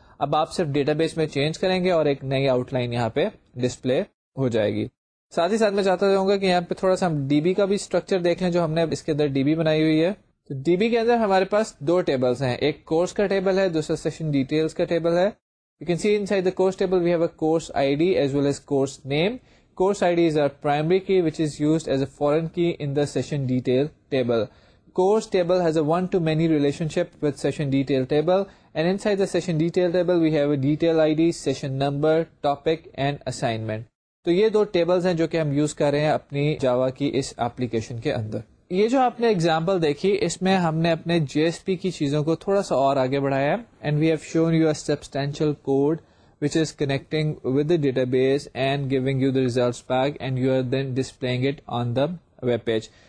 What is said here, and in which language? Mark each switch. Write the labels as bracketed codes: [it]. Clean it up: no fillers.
[ur] اب آپ صرف ڈیٹا بیس میں چینج کریں گے اور ایک نئی آؤٹ لائن یہاں پہ ڈسپلے ہو جائے گی. ساتھ ہی ساتھ میں چاہتا ہوں گا کہ یہاں پہ تھوڑا سا ہم ڈی بی کا بھی اسٹرکچر دیکھ لیں جو ہم نے اس کے اندر ڈی بی بنائی ہوئی ہے. تو ڈی بی کے اندر ہمارے پاس دو ٹیبلس ہیں, ایک کورس کا ٹیبل ہے, دوسرا سیشن ڈیٹیلس کا ٹیبل ہے. [en] You can see inside the course table we have a course I D as well as course name. Course I D is are primary key which is used as a فورن کی ان the session detail table. Course table has a one to many relation ship with session detail table, and inside the session detail table we have a detail I D, session number, topic and assignment. [ur] تو یہ دو tables ہیں جو کہ ہم use کر رہے ہیں اپنی جاوا کی اس اپلیکیشن کے اندر. یہ جو آپ نے ایگزامپل دیکھی اس میں ہم نے اپنے جی ایس پی کی چیزوں کو تھوڑا سا اور آگے بڑھایا, [en] And we have shown you a substantial code which is connecting with the database and giving you the results back, and you are then displaying it on the web page.